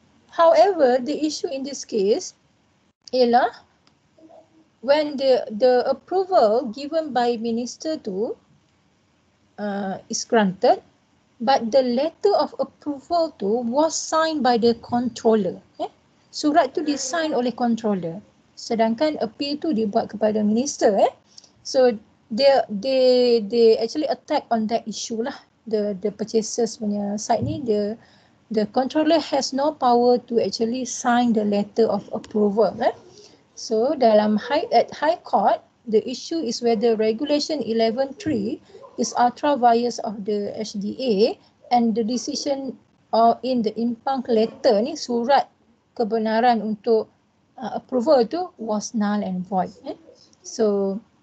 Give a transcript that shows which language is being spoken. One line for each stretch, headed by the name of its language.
English: However, the issue in this case ialah when the approval given by minister tu is granted, but the letter of approval tu was signed by the controller.
Malay: Surat tu disign oleh controller. Sedangkan appeal tu dibuat kepada minister.
English: So they actually attack on that issue lah. The purchasers punya side ni, the controller has no power to actually sign the letter of approval. So dalam high court, the issue is whether regulation 11.3 is ultra-vires of the HDA and the decision or in the impang letter ni,
Malay: surat kebenaran untuk approval tu
English: was null and void. So